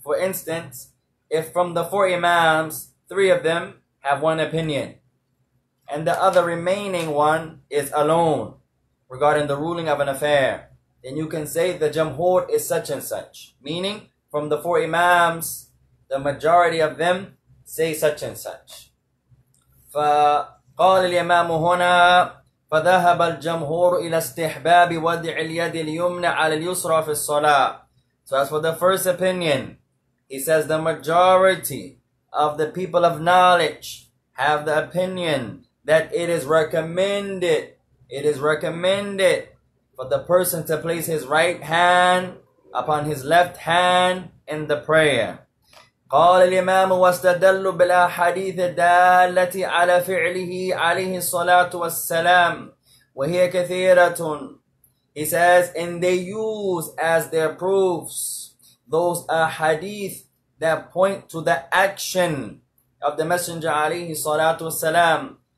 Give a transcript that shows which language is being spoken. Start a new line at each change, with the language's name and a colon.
English: For instance, if from the four imams, three of them have one opinion, and the other remaining one is alone regarding the ruling of an affair, then you can say the jamhur is such and such. Meaning, from the four imams, the majority of them say such and such.
Arabic: فقال الإمام هنا فذهب الجمهور إلى استحباب وضع اليد اليمنى على اليسرى في الصلاة.
English: So as for the first opinion, he says the majority of the people of knowledge have the opinion that it is recommended for the person to place his right hand upon his left hand in the prayer.
Arabic: قال الإمام واستدل بالأحاديث الدالة على فعله عليه الصلاة والسلام وهي كثيرة.
English: He says, and they use as their proofs those ahadith that point to the action of the Messenger عليه الصلاة والسلام.